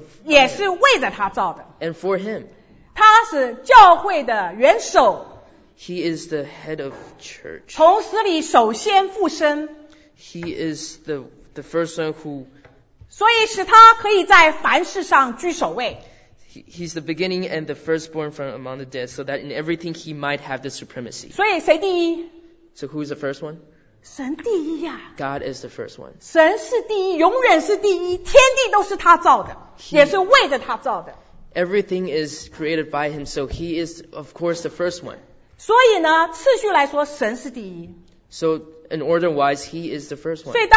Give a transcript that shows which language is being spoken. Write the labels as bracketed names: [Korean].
[Chinese] him, 也是为着他造的。 [English] And for him. [Chinese] 他是教会的元首。 [English] He is the head of church. [Chinese] 从死里首先复生。 [English] He is the first one who [Chinese] 所以使他可以在凡事上居首位。 [English] He's the beginning and the firstborn from among the dead, so that in everything he might have the supremacy. [Chinese] 所以谁第一? [English] So who's the first one? [Chinese] 神第一呀。 [English] God is the first one. [Chinese] 神是第一，永远是第一，天地都是他造的，也是为着他造的。 [English] Everything is created by him, so he is of course the first one. [Chinese] 所以呢，次序来说，神是第一。 [English] So in order wise, he is the first one.